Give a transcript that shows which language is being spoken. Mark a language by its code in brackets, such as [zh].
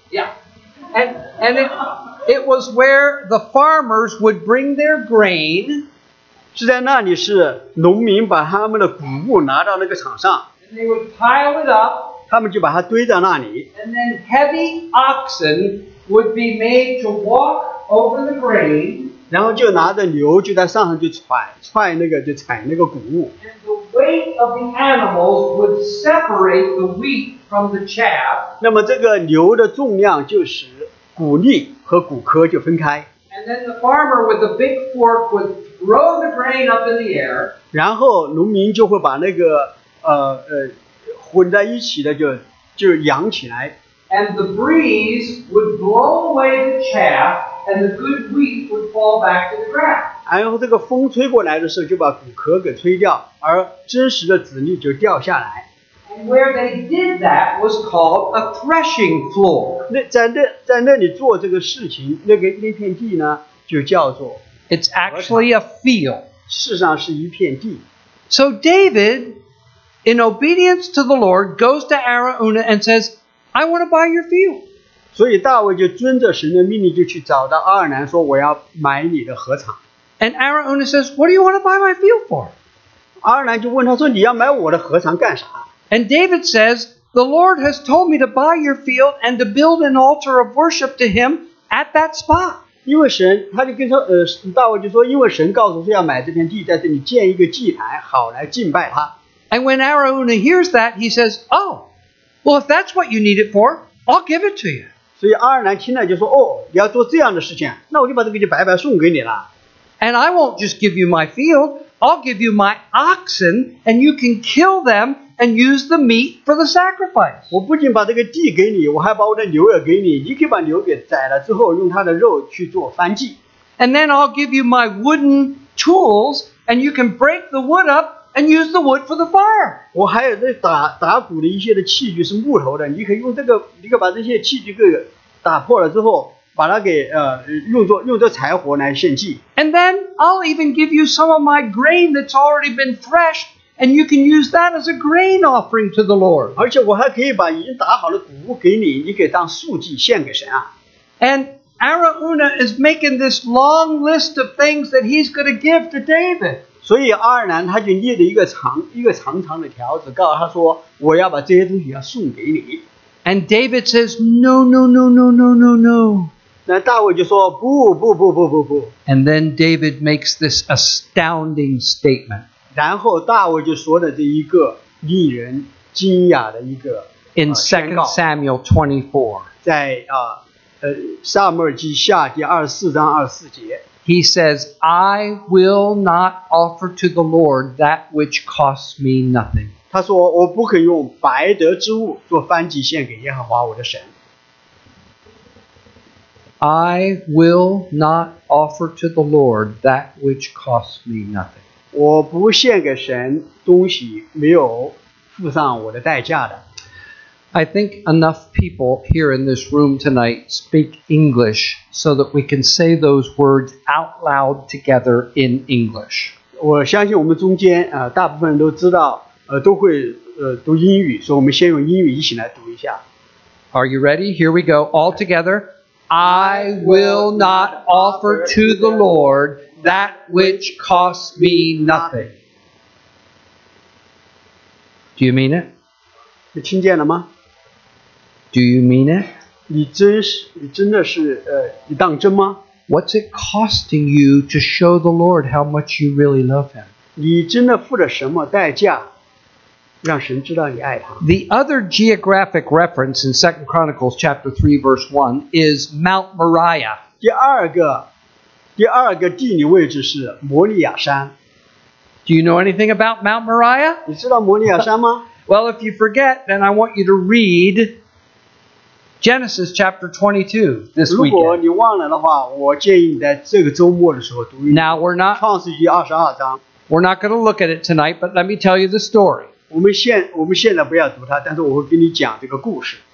[en] Yeah, and it was where the farmers would bring their grain. [zh] 是在那里，是农民把他们的谷物拿到那个场上， [en] and they would pile it up, [zh] 他们就把它堆在那里。 [en] And then heavy oxen would be made to walk over the grain, [zh] 然后就拿着牛就在上面就踹那个，就踩那个谷物。 [en] And the weight of the animals would separate the wheat from the chaff. [zh] 那么这个牛的重量就使谷粒和谷壳就分开。 [en] And then the farmer with the big fork would throw the grain up in the air. [zh] 然后农民就会把那个混在一起的就扬起来。 [en] And the breeze would blow away the chaff, and the good wheat would fall back to the ground. [zh] 然后这个风吹过来的时候，就把谷壳给吹掉，而真实的籽粒就掉下来。 [en] And where they did that was called a threshing floor. [zh] 在那里做这个事情，那片地呢，就叫做。 [en] It's actually a field. [zh] 事实上是一片地。 [en] So David, in obedience to the Lord, goes to Arauna and says, "I want to buy your field." [zh] 所以大卫就遵着神的命令，就去找到阿尔南，说我要买你的禾场。 [en] And Arauna says, "What do you want to buy my field for?" [zh] 阿尔南就问他说，你要买我的禾场干啥？ [en] And David says, the Lord has told me to buy your field and to build an altar of worship to him at that spot. [zh] 因为神，他就跟说，大卫就说，因为神告诉说要买这片地，在这里建一个祭坛，好来敬拜他。 [en] And when Arauna hears that, he says, oh, well, if that's what you need it for, I'll give it to you. [zh] 所以阿尔南听了就说，哦，你要做这样的事情，那我就把这个就白白送给你了。 [en] And I won't just give you my field, I'll give you my oxen, and you can kill them. And use the meat for the sacrifice. [zh] 我不仅把这个地给你，我还把我的牛也给你。你可以把牛给宰了之后，用它的肉去做燔祭。 [en] And then I'll give you my wooden tools, and you can break the wood up and use the wood for the fire. [zh] 我还有这打鼓的一些的器具是木头的，你可以用这个，你可以把这些器具给打破了之后，把它给用作柴火来献祭。 [en] And then I'll even give you some of my grain that's already been threshed. And you can use that as a grain offering to the Lord. [zh] 而且我还可以把已经打好的谷物给你，你可以当素祭献给神啊。 [en] And Arauna is making this long list of things that he's going to give to David. [zh] 所以阿尔南他就列了一个长长的条子，告诉他说我要把这些东西要送给你。 [en] And David says, No, no, no, no, no, no, no. [zh] 那大卫就说不不不不不不。 [en] And then David makes this astounding statement. [zh] 然后大卫就说的这一个令人惊讶的一个 [en] In 2 Samuel 24, [zh] 在撒母耳记下第24章24节 [en] He says, I will not offer to the Lord that which costs me nothing. [zh] 他说我不肯用白得之物做燔祭献给耶和华我的神。 [en] I will not offer to the Lord that which costs me nothing. [zh] 我不献给神东西没有付上我的代价的。 [en] I think enough people here in this room tonight speak English so that we can say those words out loud together in English. [zh] 我相信我们中间大部分人都知道都会读英语，所以我们先用英语一起来读一下。 [en] Are you ready? Here we go. All together. I will not offer to the Lord that which costs me nothing. Do you mean it? [zh] 你听见了吗？ [en] Do you mean it? [zh] 你真的是你当真吗？ [en] What's it costing you to show the Lord how much you really love him? [zh] 你真的付了什么代价让神知道你爱他？ [en] The other geographic reference in 2 Chronicles chapter 3 verse 1 is Mount Moriah. [zh] 第二个地理位置是摩利亚山。 [en] Do you know anything about Mount Moriah? [zh] 你知道摩利亚山吗？ [en] Well, if you forget, then I want you to read Genesis chapter 22 this weekend. [zh] 如果你忘了的话，我建议你在这个周末的时候读一读。 [en] Now we're not [zh] 创世纪二十二章。 [en] We're not going to look at it tonight, but let me tell you the story. [zh] 我们现在不要读它，但是我会给你讲这个故事。